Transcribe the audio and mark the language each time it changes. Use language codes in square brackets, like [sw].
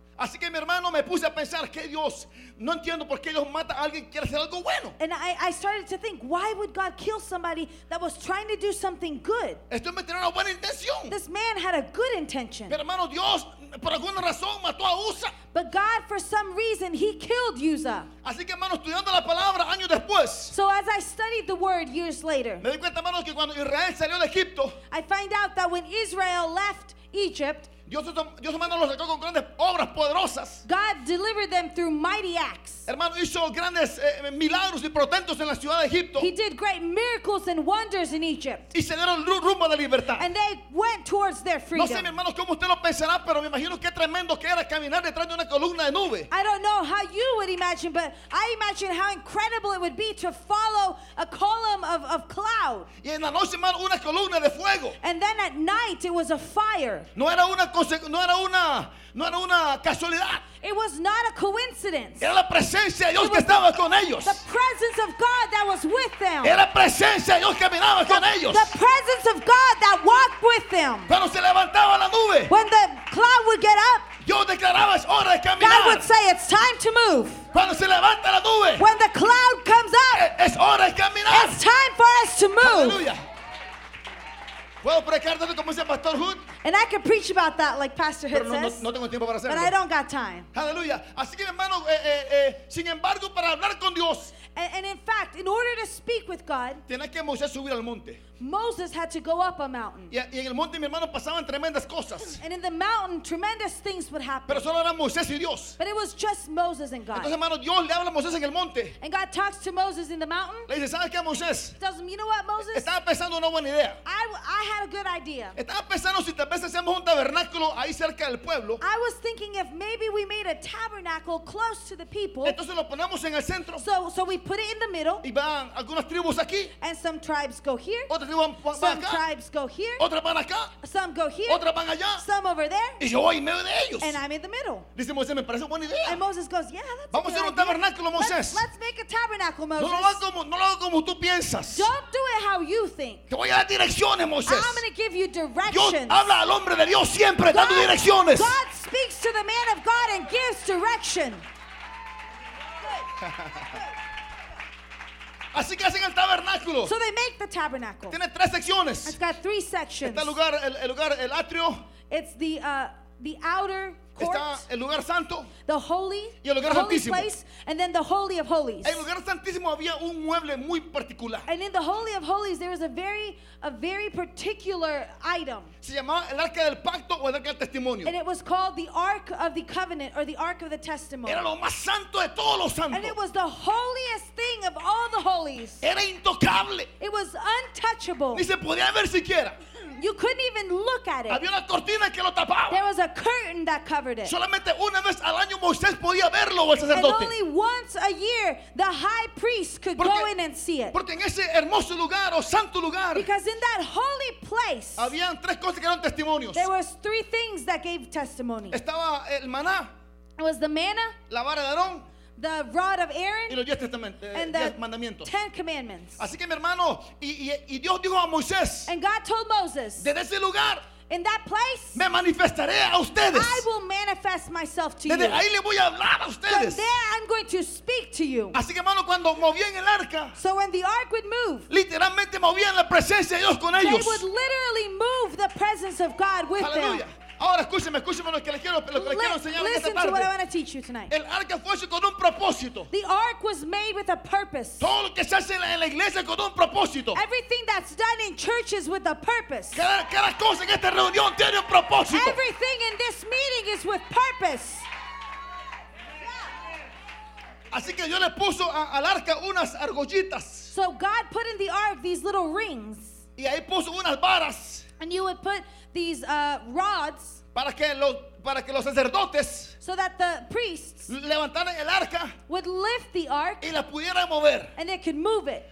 [es] Así que mi hermano, me puse a pensar que Dios, no entiendo por qué Dios mata a alguien que quiere hacer algo bueno. [en] And I started to think, why would God kill somebody that was trying to do something good? [es] Este hombre tenía una buena intención. [en] This man had a good intention. [es] Pero hermano, Dios por alguna razón mató a Uzza. [en] But God, for some reason, he killed Uzza. [es] Así que hermano, estudiando la palabra años después. [en] So as I studied the word years later. [es] Me di cuenta, hermano, que cuando Israel salió de Egipto. [en] I find out that when Israel left Egypt. [es] Dios hermano los sacó con grandes obras poderosas. [en] God delivered them through mighty acts. [es] Hermano, hizo grandes milagros y portentos en la ciudad de Egipto. [en] He did great miracles and wonders in Egypt. [es] Y se dieron rumbo a la libertad. [en] And they went towards their freedom. [es] No sé, mi hermano, cómo usted lo pensará, pero me imagino qué tremendo que era caminar detrás de una columna de nube. [en] I don't know how you would imagine, but I imagine how incredible it would be to follow a column of cloud. [es] Y en la noche, hermano, una columna de fuego. [en] And then at night it was a fire. [es] No era una casualidad. [en] It was not a coincidence. [es] Era la presencia de Dios que estaba con ellos. [en] The presence of God that was with them. [es] Era presencia de Dios que caminaba con ellos. [en] The presence of God that walked with them. [es] Cuando se levantaba la nube. [en] When the cloud would get up. [es] Dios declaraba, es hora de caminar. [en] God would say, it's time to move. [es] Cuando se levanta la nube. [en] When the cloud comes up. [es] Es hora de caminar. [en] It's time for us to move. [es] Hallelujah. Puedo predicar tanto como dice Pastor Hood. [en] And I could preach about that like Pastor Hood says. [es] Pero no tengo tiempo para hacerlo. [en] But I don't got time. [es] Aleluya. Así que hermano, sin embargo, para hablar con Dios. [en] And in fact, in order to speak with God. [es] Tenía que Moisés subir al monte. [en] Moses had to go up a mountain. [es] Y en el monte, mi hermano, pasaban tremendas cosas. [en] And in the mountain, tremendous things would happen. [es] Pero solo eran Moisés y Dios. [en] But it was just Moses and God. [es] Entonces, hermano, Dios le habla a Moisés en el monte. [en] And God talks to Moses in the mountain. [es] Le dice, ¿sabes qué, Moisés? [en] You know what, Moses? [es] Estaba pensando una buena idea. [en] I had a good idea. [es] Estaba pensando si tal vez hacemos un tabernáculo ahí cerca del pueblo. [en] I was thinking if maybe we made a tabernacle close to the people. [es] Entonces lo ponemos en el centro. [en] So we put it in the middle. [es] Y van algunas tribus aquí. [en] And some tribes go here. Some tribes go here. [es] Otra van acá. [en] Some go here. [es] Otra van allá. [en] Some over there. [es] Y yo voy en medio de ellos. [en] And I'm in the middle. [es] Dice Moisés, me parece buena idea. [en] And Moses goes, yeah, that's [es] vamos a hacer un tabernáculo, Moisés. [en] Let's make a tabernacle, Moses. [es] No lo hago como tú piensas. [en] Don't do it how you think. [es] Te voy a dar direcciones, Moisés. [en] I'm going to give you directions. [es] Dios habla al hombre de Dios siempre dando direcciones. [en] God speaks to the man of God and gives direction. [es] Así que hacen el tabernáculo. [en] So they make the tabernacle. [es] Tiene tres secciones. [en] It's got three sections. [es] Está el atrio. [en] It's the outer court. [es] Está el lugar santo. [en] The holy. [es] Y el lugar santísimo. [en] Holy place, and then the holy of holies. [es] En el lugar santísimo había un mueble muy particular. [en] And in the holy of holies there was a very particular item. [es] Se llamaba el arca del pacto o el arca del testimonio. [en] And it was called the ark of the covenant or the ark of the testimony. [es] Era lo más santo de todos los santos. [en] And it was the holiest thing of all the holies. [es] Era intocable. [en] It was untouchable. [es] Ni se podía ver siquiera. [en] You couldn't even look at it. [es] Había una cortina que lo tapaba. [en] There was a curtain that covered it. [es] Solamente una vez al año Moisés podía verlo, el sacerdote. [en] And only once a year the high priest could go in and see it. [es] Porque en ese hermoso lugar o santo lugar. [en] Because in that holy place. [es] Habían tres cosas que eran testimonios. [en] There were three things that gave testimony. [es] Estaba el maná. [en] It was the manna. [es] La vara de Aarón. [en] The rod of Aaron [es] y los diez mandamientos. [en] Ten commandments. [es] Así que mi hermano, y Dios dijo a Moisés. [en] And God told Moses. [es] Desde ese lugar. [en] In that place. [es] Me manifestaré a ustedes. [en] I will manifest myself to [es] desde [en] you. [es] Ahí le voy a hablar a ustedes. [en] From there I'm going to speak to you. [es] Así que hermano, cuando movían el arca. [en] So when the ark would move. [es] Literalmente movían la presencia de Dios con [en] they [es] ellos. [en] They would literally move the presence of God with hallelujah. Them. [es] Ahora escúcheme lo que les quiero enseñar esta tarde. [en] Listen to what I want to teach you tonight. [es] El arca fue hecho con un propósito. [en] The ark was made with a purpose. [es] Todo lo que se hace en la iglesia con un propósito. [en] Everything that's done in churches with a purpose. [es] Cada cosa en esta reunión tiene un propósito. [en] Everything in this meeting is with purpose. [es] Así que Dios le puso al arca unas argollitas. [en] So God put in the ark these little rings. [es] Y ahí puso unas varas. [en] And you would put these rods. [es] Para que los sacerdotes. [en] So that the priests. [es] Levantaran el arca. [en] Would lift the ark. [es] Y la pudieran mover. [en] And they could move it.